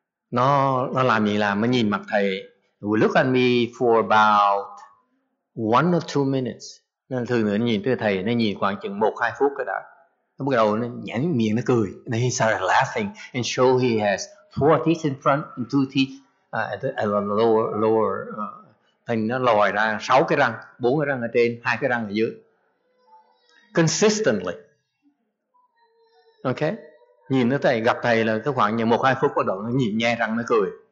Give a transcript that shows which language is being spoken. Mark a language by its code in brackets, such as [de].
[vi] Nó làm gì làm mà nhìn mặt thầy. [en] He would look at me for about 1 or 2 minutes. [vi] Nên thường nữa nó nhìn tới thầy, nó nhìn khoảng chừng 1-2 phút cái đã. Nó bắt đầu nó nhếch miệng nó cười. [en] And he started laughing and show he has 4 teeth in front and 2 teeth. At the lower [vi] thành nó lòi ra 6 cái răng, 4 cái răng ở trên, 2 cái răng ở dưới. [en] Consistently. Okay. [vi] Nhìn nó thầy, gặp thầy là cái khoảng 1-2 phút bắt đầu nó nhìn nhe răng nó cười.